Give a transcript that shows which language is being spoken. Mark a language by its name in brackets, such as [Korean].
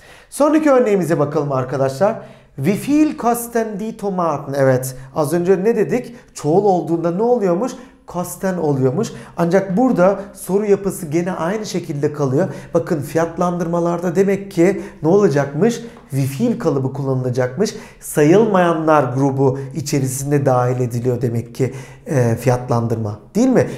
[Turkish] Sonraki örneğimize bakalım arkadaşlar. [German] Wie viel kosten die Tomaten? [Turkish] Evet, az önce ne dedik? Çoğul olduğunda ne oluyormuş? Kosten oluyormuş. Ancak burada soru yapısı gene aynı şekilde kalıyor. Bakın fiyatlandırmalarda demek ki ne olacakmış? Wie viel kalıbı kullanılacakmış. Sayılmayanlar grubu içerisinde dahil ediliyor demek ki fiyatlandırma. Değil mi?